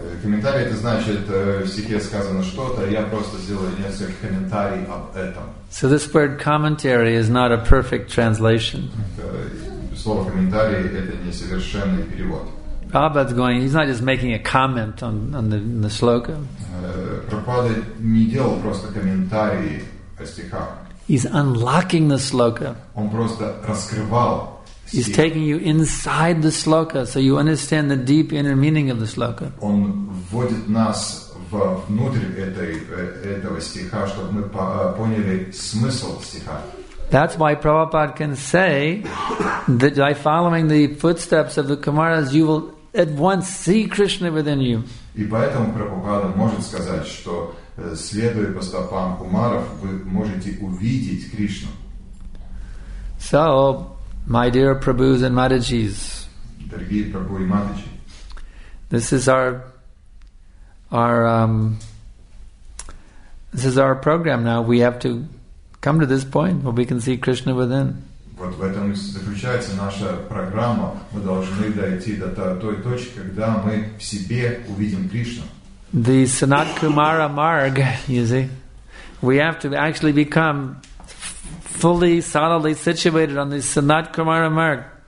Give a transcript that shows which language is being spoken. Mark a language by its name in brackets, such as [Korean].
[Russian] комментарий, это значит, в стихе сказано что-то, я просто сделаю несколько комментариев об этом. [English] So this word commentary is not a perfect translation. [Russian] Слово комментарий — это несовершенный перевод. [English] Prabhupada's going, he's not just making a comment on the shloka. [Russian] Prabhupada не делал просто комментарий о стихах. [English] He's unlocking the shloka. [Russian] Он просто раскрывал. [English] He's taking you inside the shloka, so you understand the deep inner meaning of the shloka. [Russian] Он вводит нас внутрь этого стиха, чтобы мы поняли смысл стиха. [English] That's why Prabhupada can say that by following the footsteps of the Kumaras, you will at once see Krishna within you. [Russian] И поэтому Прабхупада может сказать, что следуя по стопам Кумаров, вы можете увидеть Кришну. [English] So, my dear Prabhus and Matajis, [Russian] дорогие Прабху и Матаджи, [English] this is our program now. We have to come to this point where we can see Krishna within. [Russian] Вот в этом заключается наша программа. Мы должны дойти до той точки, когда мы в себе увидим Кришну. [English] The Sanat Kumara Marg, you see, we have to actually become fully, solidly situated on the Sanat Kumara Marg.